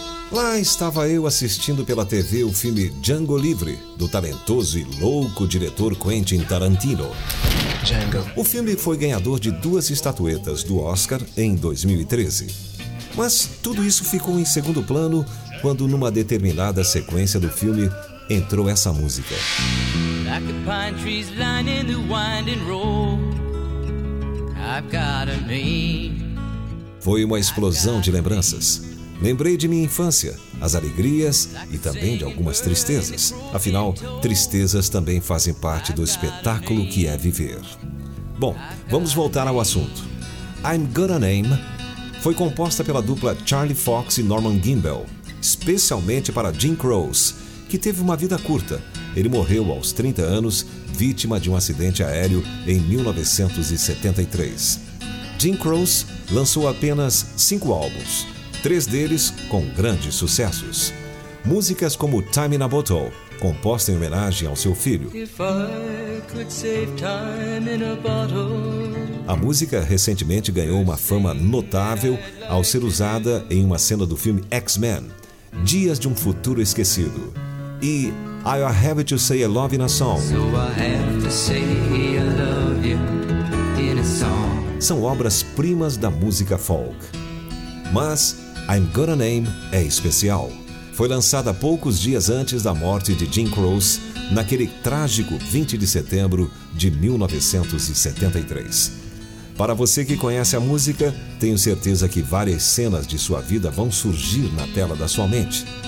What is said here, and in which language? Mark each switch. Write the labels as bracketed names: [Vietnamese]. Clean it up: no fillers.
[Portuguese] Lá estava eu assistindo pela TV o filme Django Livre, do talentoso e louco diretor Quentin Tarantino. Django. O filme foi ganhador de 2 estatuetas do Oscar em 2013. Mas tudo isso ficou em segundo plano quando, numa determinada sequência do filme, entrou essa música. [English] Like the pine trees lining the winding road, I've got a name. [Portuguese] Foi uma explosão de lembranças. Lembrei de minha infância, as alegrias e também de algumas tristezas. Afinal, tristezas também fazem parte do espetáculo que é viver. Bom, vamos voltar ao assunto. I'm Gonna Name foi composta pela dupla Charlie Fox e Norman Gimbel, especialmente para Jim Croce, que teve uma vida curta. Ele morreu aos 30 anos, vítima de um acidente aéreo em 1973. Jim Croce lançou apenas 5 álbuns, 3 deles com grandes sucessos. Músicas como Time in a Bottle, composta em homenagem ao seu filho. [English] If I could save time in a bottle. [Portuguese] A música recentemente ganhou uma fama notável ao ser usada em uma cena do filme X-Men, Dias de um Futuro Esquecido. [English] E I Have to Say a Love in a Song. So I have to say I love you in a song. [Portuguese] São obras-primas da música folk. Mas I'm Gonna Name é especial. Foi lançada poucos dias antes da morte de Jim Croce, naquele trágico 20 de setembro de 1973. Para você que conhece a música, tenho certeza que várias cenas de sua vida vão surgir na tela da sua mente.